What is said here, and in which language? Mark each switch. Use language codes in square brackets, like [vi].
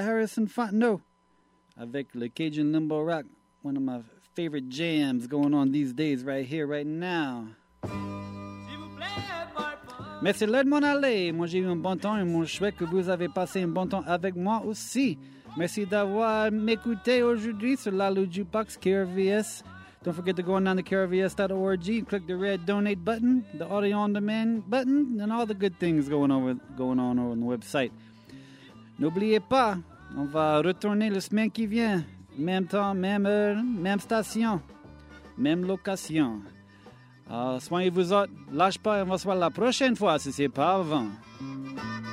[en] Harrison Fontenot, [fr] avec le [en] Cajun Limbo Rock, one of my favorite jams going on these days, right here, right now. [fr] Mais c'est l'heure de m'en aller. Moi, j'ai eu un bon temps et moi, je souhaite que vous avez passé un bon temps avec moi aussi. Merci d'avoir m'écouté aujourd'hui sur la Lou Jukebox KRVS. [en] Don't forget to go on down to KRVS.org and click the red donate button, the audio on demand button, and all the good things going on over on the website. [fr] N'oubliez pas, on va retourner la semaine qui vient. Même temps, même heure, même station, même location. Soignez-vous autres, lâche pas, on va se voir la prochaine fois, si c'est pas avant.